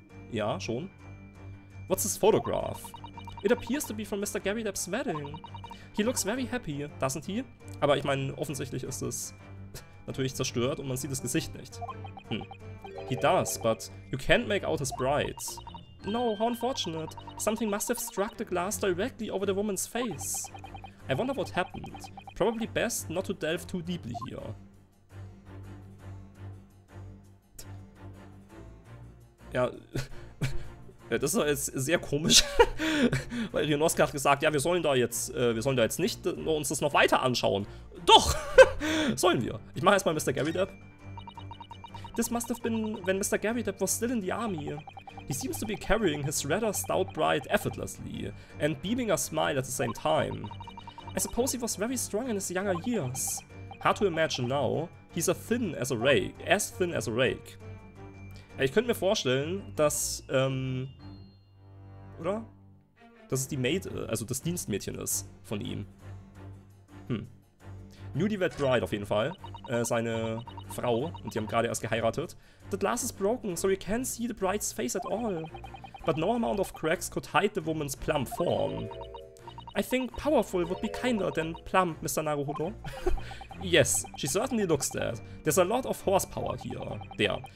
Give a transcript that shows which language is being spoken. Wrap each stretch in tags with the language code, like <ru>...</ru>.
<de>Ja, schon.</de> <en>What's this photograph? It appears to be from Mr. Garydep's wedding. He looks very happy, doesn't he?</en> <de>Aber ich meine, offensichtlich ist es... natürlich zerstört und man sieht das Gesicht nicht. Hm.</de> <en>He does, but you can't make out his bride. No, how unfortunate. Something must have struck the glass directly over the woman's face. I wonder what happened. Probably best not to delve too deeply here.</en> <de>Ja, das ist jetzt sehr komisch, weil Rionoska hat gesagt, ja, wir sollen da jetzt nicht uns das noch weiter anschauen. Doch! Sollen wir. Ich mache erstmal Mr. Garydep.</de> <en>This must have been when Mr. Garydep was still in the army. He seems to be carrying his rather stout bride effortlessly and beaming a smile at the same time. I suppose he was very strong in his younger years. Hard to imagine now. He's a thin as a rake. As thin as a rake.</en> <de>Ja, ich könnte mir vorstellen, dass, oder? Dass es die Maid, also das Dienstmädchen ist von ihm. Hm. Newlywed Bride auf jeden Fall, seine Frau, und die haben gerade erst geheiratet.</de> <en>The glass is broken, so you can't see the bride's face at all. But no amount of cracks could hide the woman's plump form. I think powerful would be kinder than plump, Mr. Naruhodo. Yes, she certainly looks that. There's a lot of horsepower here. There.</en>